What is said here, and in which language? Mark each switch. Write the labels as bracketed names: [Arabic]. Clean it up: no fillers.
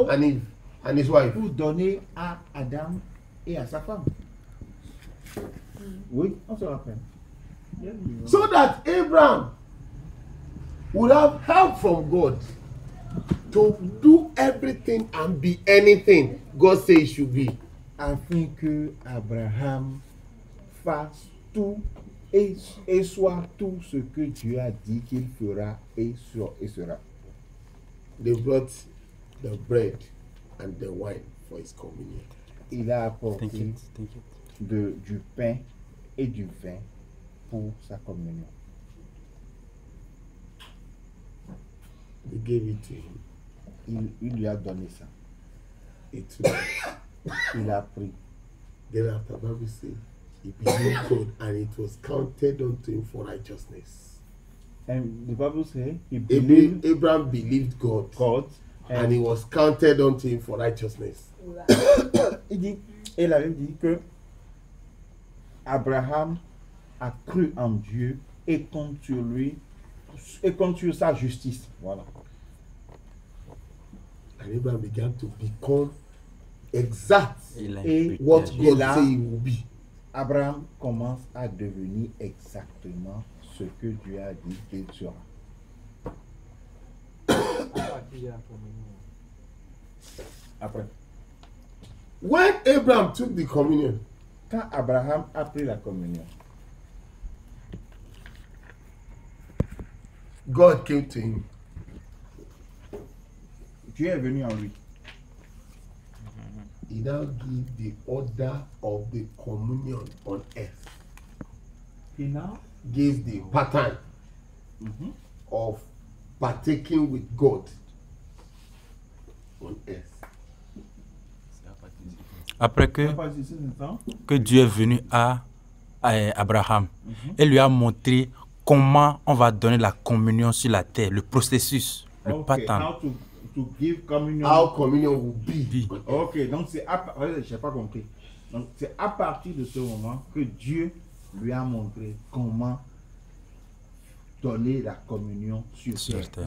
[English] Pour gave it to Adam and Eve and his wife. [French] Pour donner à Adam et à sa femme. Oui, on se rappelle. [English] So that Abraham would have help from God to do everything and be anything God says he should be. [French] Afin que Abraham fasse tout et soit tout ce que Dieu a dit qu'il fera et sera. [English] They brought the bread and the wine for his communion. [French] Il a apporté du pain et du vin pour sa communion. [English] He gave it to him. [French] Il lui a donné ça. [English] It [French] il a pris. [English] Then after the Bible says, he believed God and it was counted unto him for righteousness. And the Bible says, Abraham believed God. God, and it was counted unto him for righteousness. [French] Il dit, et la Bible dit que Abraham a cru en Dieu et compte sur lui. Et compte sur sa justice. Voilà. [English] And Abraham began to become exact what God said he will be. [French] Abraham commence à devenir exactement ce que Dieu a dit qu'il sera. Après. [English] When Abraham took the communion, [French] quand Abraham a pris la communion, [English] God came to him. [French] Dieu est venu en lui. [English] He now gave the order of the communion on earth. He now gives the pattern of partaking with God on earth. [French] Après que Dieu est venu à Abraham, et lui a montré comment on va donner la communion sur la terre, le processus, le pattern. [English] To give communion. How communion will be. [French] Ok, donc c'est à partir, j'ai pas compris. Donc c'est à partir de ce moment que Dieu lui a montré comment donner la communion sur terre.